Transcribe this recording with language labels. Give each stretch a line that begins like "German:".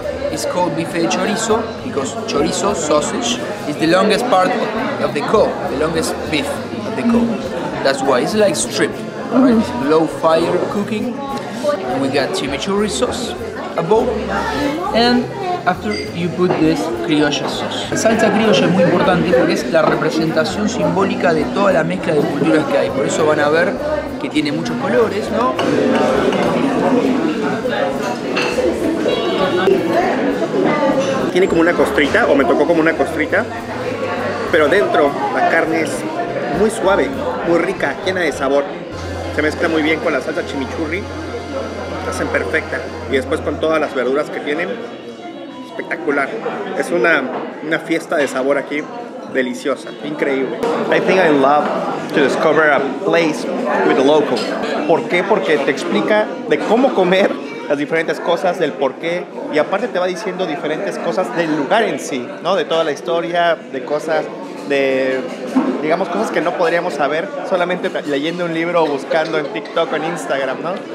English: It's called bife de chorizo because chorizo, sausage, is the longest part of the cow, the longest beef of the cow. That's why it's like strip, right? Low fire cooking. And we got chimichurri sauce, a bowl, and after you put this criolla sauce.
Spanish: Salsa criolla es muy importante porque es la representación simbólica de toda la mezcla de culturas que hay. Por eso van a ver que tiene muchos colores, ¿no? Tiene como una costrita, o me tocó como una costrita, pero dentro la carne es muy suave, muy rica, llena de sabor. Se mezcla muy bien con la salsa chimichurri. hacen perfecta. Y después con todas las verduras que tienen, espectacular. Es una fiesta de sabor aquí, deliciosa, increíble.
English: I think I love to discover a place with the local.
Spanish: ¿Por qué? Porque te explica de cómo comer las diferentes cosas, del por qué, y aparte te va diciendo diferentes cosas del lugar en sí, ¿no? De toda la historia, de cosas, de, digamos, cosas que no podríamos saber solamente leyendo un libro o buscando en TikTok o en Instagram, ¿no?